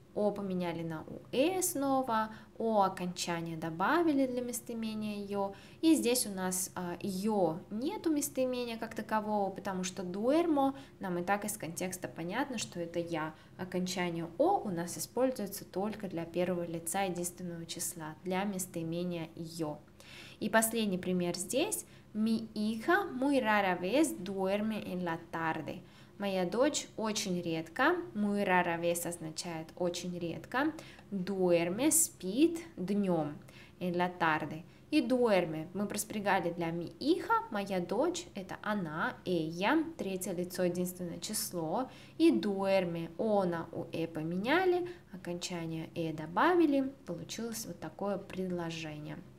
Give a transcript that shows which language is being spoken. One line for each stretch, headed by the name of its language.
Russian: О поменяли на уэ снова, о окончание добавили для местоимения ё, и здесь у нас ё нету местоимения как такового, потому что duermo нам и так из контекста понятно, что это я. Окончание о у нас используется только для первого лица единственного числа, для местоимения ё. И последний пример здесь.
Spanish: Mi hija muy rara vez duerme en la tarde.
Russian: Моя дочь очень редко,
Spanish: muy rara vez
Russian: означает очень редко, duerme, спит днем,
Spanish: en la tarde.
Russian: И duerme, мы проспрягали для
Spanish: mi hija,
Russian: моя дочь, это она, ella, третье лицо, единственное число, и duerme, она, уэ поменяли, окончание э добавили, получилось вот такое предложение.